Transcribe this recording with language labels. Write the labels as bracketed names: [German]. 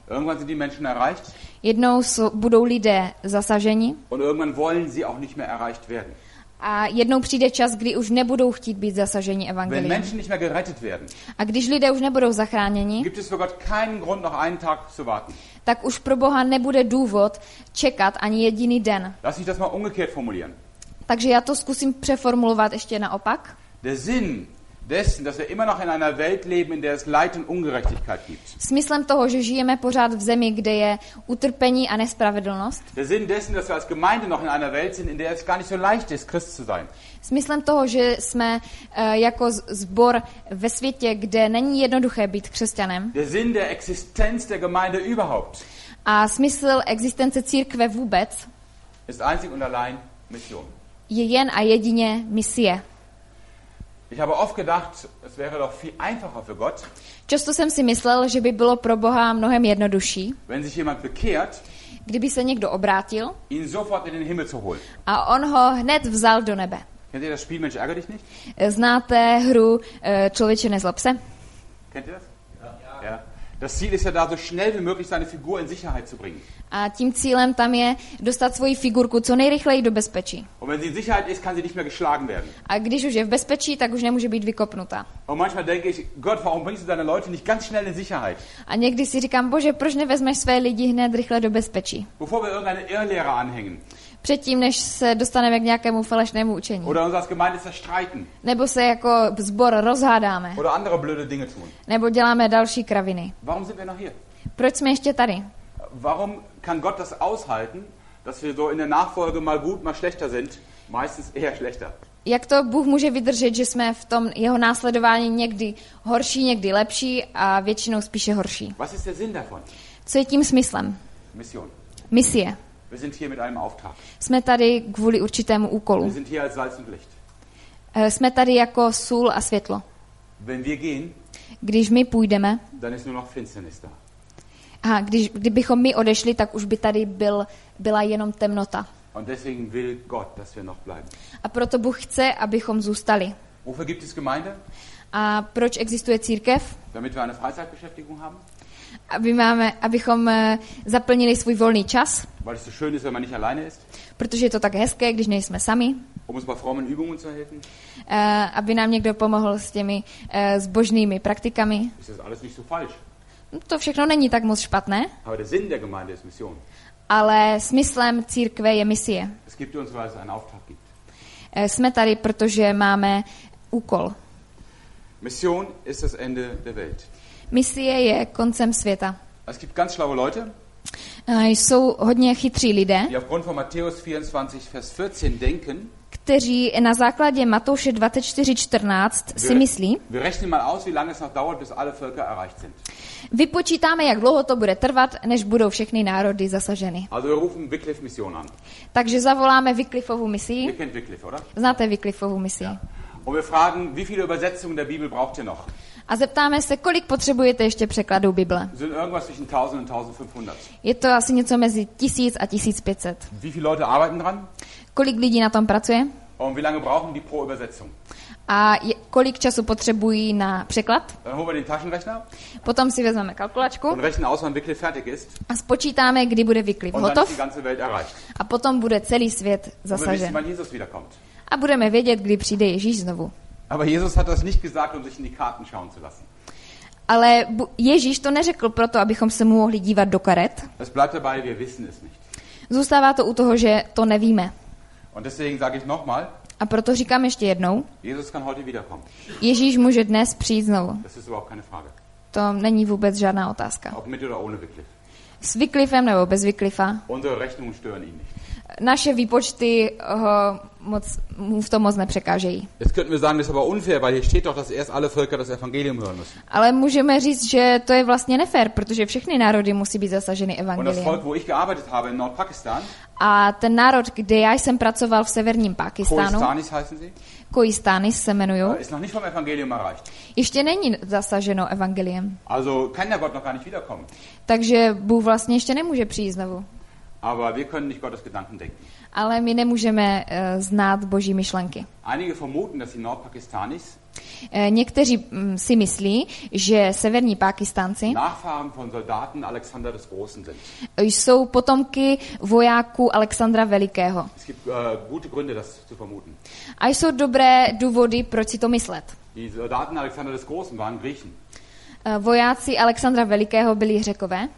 [German] Irgendwann sind die Menschen erreicht. [Czech] Jednou budou lidé zasaženi. [German] Und irgendwann wollen sie auch nicht mehr erreicht werden. [Czech] A jednou přijde čas, kdy už nebudou chtít být zasaženi evangeliem. [German] Wenn Menschen nicht mehr gerettet werden. [Czech] A když lidé už nebudou zachráněni. [German] Gibt es für Gott keinen Grund noch einen Tag zu warten. [Czech] Tak už pro Boha nebude důvod čekat ani jediný den. [German] Lass mich das mal umgekehrt formulieren. [Czech] Takže já to zkusím přeformulovat ještě naopak. [German] Der Sinn dessen, dass wir immer noch in einer Welt leben, in der es Leid und Ungerechtigkeit gibt. [Czech] Smyslem toho, že žijeme pořád v zemi, kde je utrpení a nespravedlnost. [German] Der Sinn dessen, dass wir als Gemeinde noch in einer Welt sind, in der es gar nicht so leicht ist, Christ zu sein. [Czech] Smyslem toho, že jsme jako sbor ve světě, kde není jednoduché být křesťanem. [German] Der Sinn der Existenz der Gemeinde überhaupt. [Czech] A smysl existence církve vůbec. [German] Ist einzig und allein Mission. [Czech] Je jen a jedině misie. [German] Ich habe oft gedacht, es wäre doch viel einfacher für Gott. [Czech] Často jsem si myslel, že by bylo pro Boha mnohem jednodušší. [German] Wenn sich jemand bekehrt, [Czech] kdyby se někdo obrátil, [German] ihn sofort in den Himmel zu holen. [Czech] A on ho hned vzal do nebe. [German] Kennt ihr das Spiel Mensch ärgere dich nicht? [Czech] Znáte hru Člověče nezlob se? [German] Kennt ihr das? Ja. Das Ziel ist ja da, so schnell wie möglich seine Figur in Sicherheit zu bringen. [Czech] A tím cílem tam je dostat svoji figurku co nejrychleji do bezpečí. [German] Und wenn sie in Sicherheit ist, kann sie nicht mehr geschlagen werden. [Czech] A když už je v bezpečí, tak už nemůže být vykopnuta. [German] Und manchmal denke ich, Gott, warum bringst du deine Leute nicht ganz schnell in Sicherheit? [Czech] A někdy si říkám, Bože, proč nevezmeš své lidi hned rychle do bezpečí? [German] Bevor wir irgendeine Irrlehre anhängen. [Czech] Předtím, než se dostaneme k nějakému falešnému učení. [German] Oder uns als Gemeinde zerstreiten. [Czech] Nebo se jako sbor rozhádáme. [German] Oder andere blöde Dinge tun. [Czech] Nebo děláme další kraviny. [German] Warum sind wir noch hier? [Czech] Proč jsme ještě tady? [German] Warum kann Gott das aushalten, dass wir so in der Nachfolge mal gut, mal schlechter sind? Meistens eher schlechter. [Czech] Jak to Bůh může vydržet, že jsme v tom jeho následování někdy horší, někdy lepší a většinou spíše horší? [German] Was ist der Sinn davon? [Czech] Co je tím smyslem? [German] Mission. [Czech] Misie. [German] Wir sind hier mit einem Auftrag. [Czech] Jsme tady kvůli určitému úkolu. [German] Wir sind hier als Salz und Licht. [Czech] Jsme tady jako sůl a světlo. [German] Wenn wir gehen, [Czech] když my půjdeme, [German] dann ist nur noch Finsternis da. [Czech] A kdybychom my odešli, tak už by tady byla jenom temnota. [German] Und deswegen will Gott, dass wir noch bleiben. [Czech] A proto Bůh chce, abychom zůstali. [German] Wofür gibt es Gemeinde? [Czech] A proč existuje církev? [German] Damit wir eine Freizeitbeschäftigung haben. [Czech] Abychom zaplnili svůj volný čas. [German] Weil es so schön ist, wenn man nicht alleine ist. [Czech] Protože je to tak hezké, když nejsme sami. [German] Um uns bei frommen Übungen zu helfen. [Czech] Aby nám někdo pomohl s těmi zbožnými praktikami. [German] Ist das alles nicht so falsch? [Czech] To všechno není tak moc špatné. [German] Aber der Sinn der Gemeinde ist Mission. [Czech] Ale smyslem církve je misie. [German] Es gibt uns, weil es einen Auftrag gibt. [Czech] Jsme tady, protože máme úkol. [German] Mission ist das Ende der Welt. [Czech] Misie je koncem světa. [German] Es gibt ganz schlaue Leute. [Czech] Jsou hodně chytří lidé. [German] Die aufgrund von Matthäus 24, Vers 14 denken. [Czech] Kteří na základě Matouše 24:14 si myslí. [German] Wir rechnen mal aus, wie lange es noch dauert, bis alle Völker erreicht sind. [Czech] Vypočítáme, jak dlouho to bude trvat, než budou všechny národy zasaženy. [German] Also wir rufen Wycliffe Mission an. [Czech] Takže zavoláme Wycliffeovu misi. [German] Ihr kennt Wycliffe, oder? [Czech] Znáte Wycliffeovu misi. [German] Ja. Und wir fragen, wie viele Übersetzungen der Bibel braucht ihr noch? [Czech] A zeptáme se, kolik potřebujete ještě překladů Bible. [German] Sind irgendwas zwischen 1000 und 1500. [Czech] Je to asi něco mezi 1000 a 1500. [German] Wie viele Leute arbeiten dran? [Czech] Kolik lidí na tom pracuje? [German] Und wie lange brauchen die pro Übersetzung? [Czech] A kolik času potřebují na překlad? [German] Dann holen wir den Taschenrechner. [Czech] Potom si vezmeme kalkulačku. [German] Und rechnen aus, wann Wycliffe fertig ist. [Czech] A spočítáme, kdy bude Wycliffe [German] und [Czech] hotov. [German] Und dann ist die ganze Welt erreicht. [Czech] A potom bude celý svět zasažen. [German] Und wir wissen, wann Jesus wiederkommt. [Czech] A budeme vědět, kdy přijde Ježíš znovu. [German] Aber Jesus hat das nicht gesagt, um sich in die Karten schauen zu lassen. [Czech] Ale Ježíš to neřekl proto, abychom se mu mohli dívat do karet. [German] Es bleibt dabei, wir wissen es nicht. [Czech] Zůstává to u toho, že to nevíme. [German] Und deswegen sage ich noch mal, [Czech] a proto říkám ještě jednou. [German] Jesus kann heute wiederkommen. [Czech] Ježíš může dnes přijít znovu. [German] Das ist überhaupt keine Frage. [Czech] To není vůbec žádná otázka. [German] Ob mit oder ohne Wycliffe. [Czech] S Wycliffem nebo bez Wycliffa. [German] Unsere Rechnungen stören ihn nicht. [Czech] Naše výpočty ho moc, mu v tom moc nepřekážejí. [German] Jetzt könnten wir sagen, das ist aber unfair, weil hier steht doch, dass erst alle Völker das Evangelium hören müssen. [Czech] Ale můžeme říct, že to je vlastně nefér, protože všechny národy musí být zasaženy evangeliem. [German] Und das Volk, wo ich gearbeitet habe in Nordpakistan. [Czech] A ten národ, kde já jsem pracoval v severním Pakistánu. [German] Koistánis heißen sie? [Czech] Koistánis se jmenují. [German] Ist noch nicht vom Evangelium erreicht. [Czech] Ještě není zasaženo evangeliem. [German] Also kann der Gott noch gar nicht wiederkommen. [Czech] Takže Bůh vlastně ještě nemůže přijít znovu. [German] Aber wir können nicht Gottes Gedanken denken. [Czech] Ale my nemůžeme znát Boží myšlenky. [German] Einige vermuten, dass die Nordpakistanis. [Czech] Někteří si myslí, že severní Pakistánci. [German] Nachfahren von Soldaten Alexander des Großen sind. [Czech] Jsou potomky vojáků Alexandra Velikého. [German] Es gibt gute Gründe, das zu vermuten. [Czech] A jsou dobré důvody, proč si to myslet. [German] Die Soldaten Alexander des Großen waren Griechen. [Czech] Vojáci Alexandra Velikého byli Řekové.